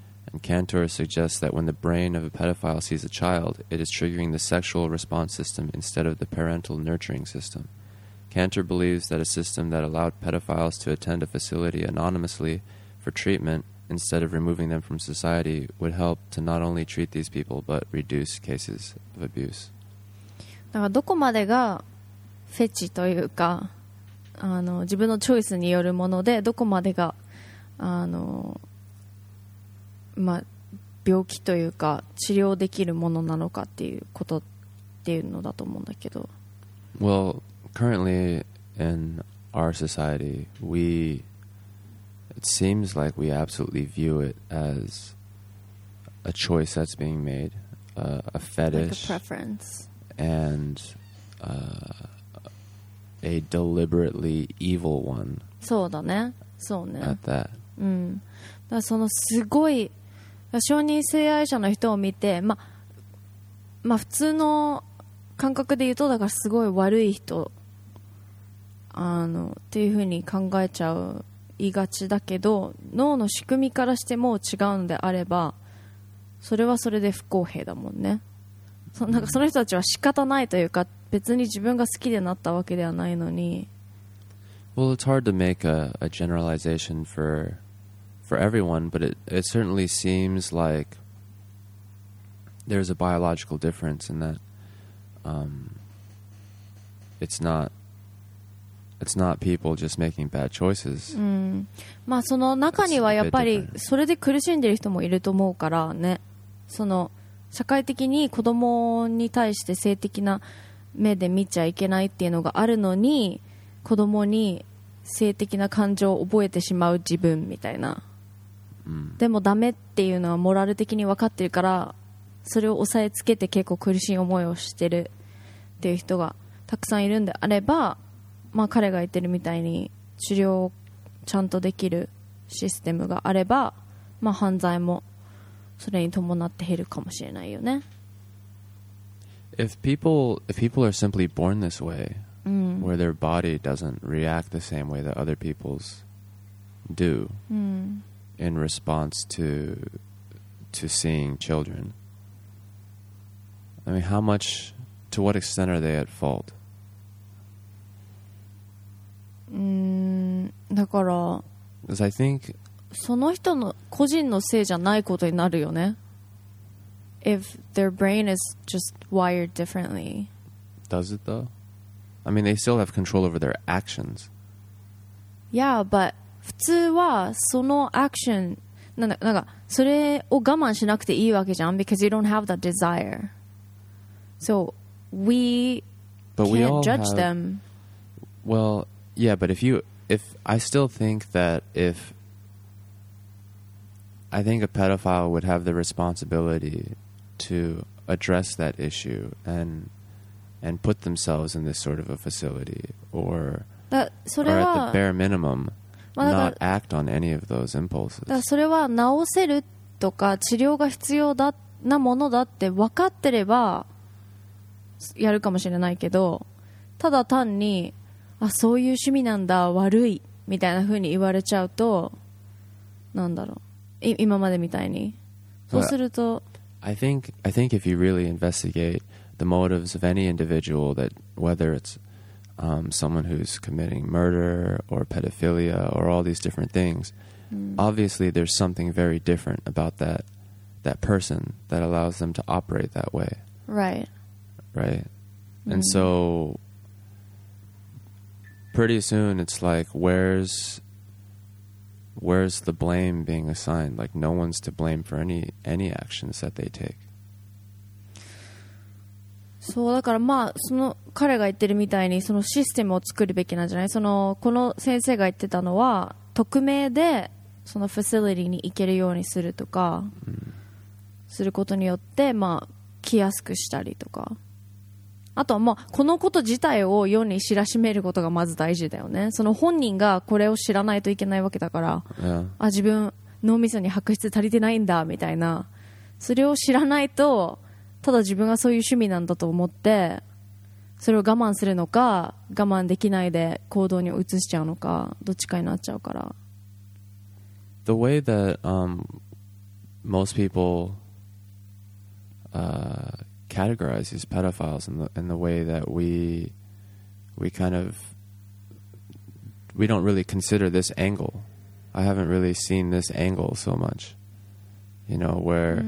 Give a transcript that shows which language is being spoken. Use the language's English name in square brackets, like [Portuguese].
[English] And Cantor suggests that when the brain of a pedophile sees a child, it is triggering the sexual response system instead of the parental nurturing system. Cantor believes that a system that allowed pedophiles to attend a facility anonymously for treatmentinstead of removing them from society would help to not only treat these people but reduce cases of abuse. [Japanese] だからどこまでがフェチというか、あの自分のチョイスによるもので、どこまでがあの、まあ、病気というか治療できるものなのかっていうことっていうのだと思うんだけど。 [English] Well, currently in our society, weIt seems like we absolutely view it as a choice that's being made, a fetish, like a preference, and a deliberately evil one. [Japanese] そうだね、そうね。 [English] At that. うん。 [Japanese] だからそのすごい小児性愛者の人を見て、まあ普通の感覚で言うと、だからすごい悪い人、あのっていうふうに考えちゃう。言いがちだけど、脳の仕組みからしても違うのであれば、それはそれで不公平だもんね。なんかその人たちは仕方ないというか、別に自分が好きでなったわけではないのに。 [English] Well, it's hard to make a generalization for everyone, but it certainly seems like there's a biological difference in that, it's not people just making bad choices. [Japanese] まあその中にはやっぱりそれで苦しんでる人もいると思うからね。その社会的に子供に対して性的な目で見ちゃいけないっていうのがあるのに、子供に性的な感情を覚えてしまう自分みたいな。でもダメっていうのはモラル的に分かってるから、それを抑えつけて結構苦しい思いをしてるっていう人がたくさんいるんであれば、まあ、彼が言ってるみたいに治療をちゃんとできるシステムがあれば、まあ、犯罪もそれに伴って減るかもしれないよね。 [English] If people are simply born this way、where their body doesn't react the same way that other people's do、in response to seeing children, I mean, how much, to what extent are they at fault? [Japanese] だから [English] I think [Japanese] その人の個人のせいじゃないことになるよね。 [English] If their brain is just wired differently. Does it though? I mean, they still have control over their actions. Yeah, but [Japanese] 普通はそのアクションなんだ、なんかそれを我慢しなくていいわけじゃん、 [English] because you don't have that desire. So we but can't we all judge have, them. Well, yeah, but if I still think that if I think a pedophile would have the responsibility to address that issue and put themselves in this sort of a facility or at the bare minimum. まあ、 not act on any of those impulses. [Japanese] だからそれは治せるとか治療が必要だなものだって分かってればやるかもしれないけど、ただ単にあそういう趣味なんだ悪いみたいな風に言われちゃうと、なんだろう、今までみたいに、そうすると、 [English] well, I think if you really investigate the motives of any individual, that whether itsSomeone who's committing murder or pedophilia or all these different things、mm. obviously there's something very different about that person that allows them to operate that way, right、 mm. and so pretty soon it's like where's the blame being assigned, like no one's to blame for any actions that they take [Japanese] そうだから、まあ、その彼が言ってるみたいにそのシステムを作るべきなんじゃない、そのこの先生が言ってたのは匿名でそのファシリティに行けるようにするとか、うん、することによって、まあ、来やすくしたりとか、あとは、まあ、このこと自体を世に知らしめることがまず大事だよね、その本人がこれを知らないといけないわけだから、 [English] yeah. [Japanese] あ自分脳みそに白質足りてないんだみたいな、それを知らないとただ自分がそういう趣味なんだと思ってそれを我慢するのか我慢できないで行動に移しちゃうのかどっちかになっちゃうから、 [English] The way that、most people、categorize these pedophiles in the way that we don't really consider this angle, I haven't really seen this angle so much, you know, where、